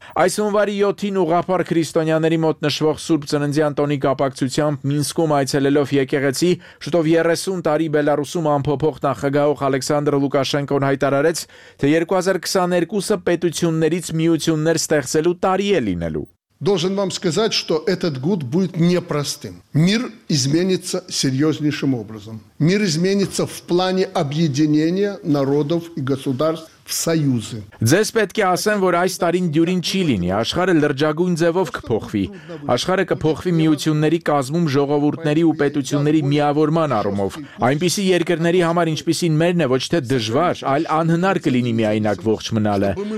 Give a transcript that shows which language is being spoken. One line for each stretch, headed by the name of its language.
Armenian: Այս հունվարի 7-ին ուղղափառ քրիստոնյաների մոտ նշվող Սուրբ Ծննդյան տոնի կապակցությամբ Մինսկում այցելելով եկեղեցի շուտով 30 տարի Բելարուսում անփոփոխ նախագահ Ալեքսանդր Լուկաշենկոն հայտարարեց, թե 2022-ը պետություններից միություններ ստեղծելու տարի է լինելու։
Russian: Должен вам сказать, что этот год будет непростым. Мир изменится серьёзнейшим образом. Мир изменится в плане объединения народов и государств в союзы.
Armenian: Ձեզ պետք է ասեմ, որ այս տարին դյուրին չի լինի, աշխարհը լրջագույն ձևով կփոխվի։ Աշխարհը կփոխվի միությունների կազմում ժողովուրդների ու պետությունների միավորման առումով։ Այնպիսի երկրների համար, ինչպիսին մերն է, ոչ թե դժվար, այլ անհնար կլինի միայնակ ողջ մնալը։